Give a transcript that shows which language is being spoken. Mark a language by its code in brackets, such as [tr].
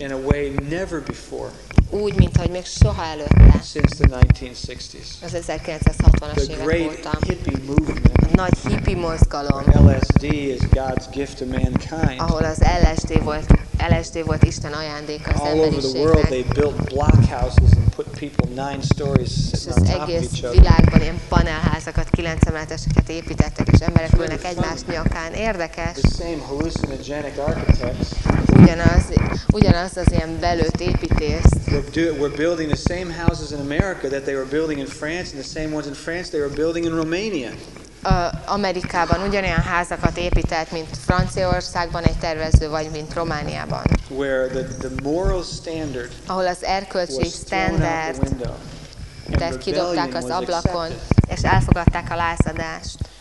[en] In a way never before. [hu] Úgy, mint ahogy még soha előtte. [en] Since the 1960s. [hu] Az 1960-as évek óta. [en] The great hippie movement. [hu] A nagy hippie mozgalom. [en] LSD is God's gift to mankind. [hu] Ahol az LSD volt LSD volt Isten ajándéka az [en] emberiségnek. All over the world they built blockhouses and put people nine stories on top of each other. [hu] És az egész világban ilyen panelházakat, 9 emeleteseket építettek, és emberek ülnek egymás nyakán. Érdekes. [en] The same hallucinogenic architects. [hu] Ugyanaz az ilyen belőtt építész. [en] We're building the same houses in America that they were building in France, and the same ones in France they were building in Romania. [hu] Amerikában ugyanolyan házakat épített, mint Franciaországban egy tervező, vagy mint Romániában. [en] Where the moral standard, [hu] ahol az erkölcsi standard, tehát kidobták az ablakon, és elfogadták a lázadást.